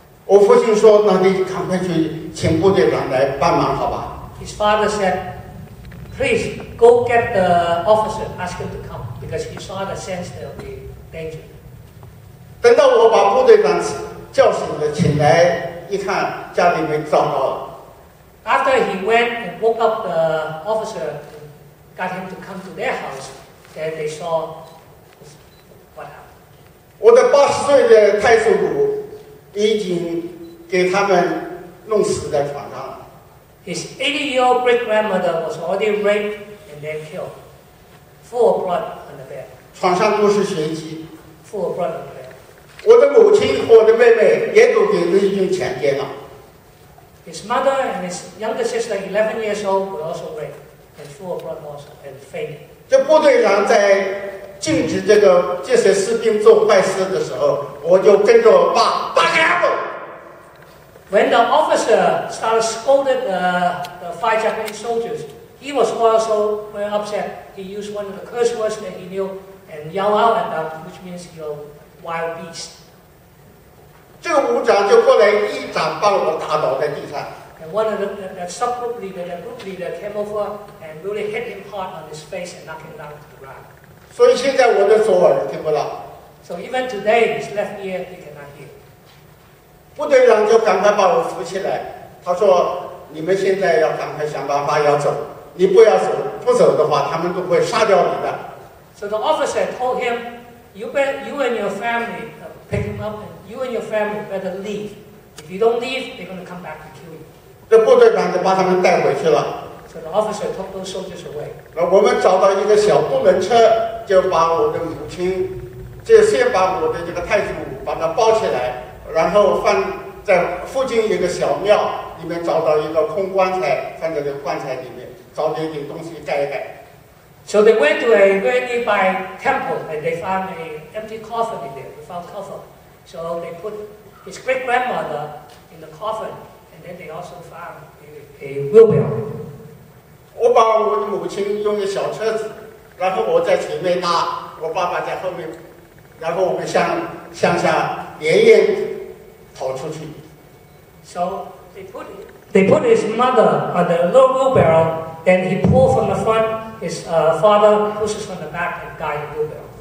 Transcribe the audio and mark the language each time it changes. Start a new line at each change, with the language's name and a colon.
Chinese: 我父亲说：“那你赶快去请部队长来帮忙，好吧？”
English: His father said, "Please go get the officer, ask him to come, because he saw the sense there will be danger."
Chinese: 等到我把部队长叫醒了，请来一看，家里面糟糕了。
English: After he went and woke up the officer, got him to come to their house. Then they saw what happened.
Chinese: 我的八十岁的太祖母已经给他们弄死在床上了。
English: His 80-year-old great-grandmother was already raped and then killed, full of blood on the bed.
Chinese: 床上都是血迹。
English: Full of blood on the bed.
Chinese: 我的母亲和我的妹妹也都给日军强奸了。
English: His mother and his younger sister, 11 years old, were also raped and full of blood also and fainted.
Chinese: 这部队长在禁止这些士兵做坏事的时候，我就跟着骂
English: "Back up!" When the officer started scolding the five Japanese soldiers, he was also very upset. He used one of the curse words that he knew and yelled out at them, which means "you wild beast."
Chinese: 这个武长就过来一掌把我打倒在地上。
English: And one of the subgroup leader, the group leader, came over and really hit him hard on his face and knocked him down to the ground.
Chinese: 所以现在我的左耳听不到。
English: So even today, his left ear he cannot hear.
Chinese: 部队长就赶快把我扶起来，他说：“你们现在要赶快想办法要走，你不要走，不走的话，他们都会杀掉你的。”
English: So the officer told him, "You and your family pick him up, and you and your family better leave. If you don't leave, they're going to come back to kill you."
Chinese: 这部队长就把他们带回去了。
English: So the officer took those soldiers away.
Chinese: 那我们找到一个小独轮车，就把我的母亲，就先把我的这个太祖母把她抱起来，然后放在附近一个小庙里面，找到一个空棺材，放在这个棺材里面，找点点东西盖一盖。
English: So they went to a very nearby temple and they found an empty coffin in there. They found coffin. So they put his great grandmother in the coffin. Then they also found a wheelbarrow.
Chinese: 我把我的母亲用一小车子，然后我在前面拉，我爸爸在后面，然后我们向乡下连夜逃出去。
English: So they put his mother on the little wheelbarrow, then he pulled from the front. His father pushes from the back and guide the wheelbarrow.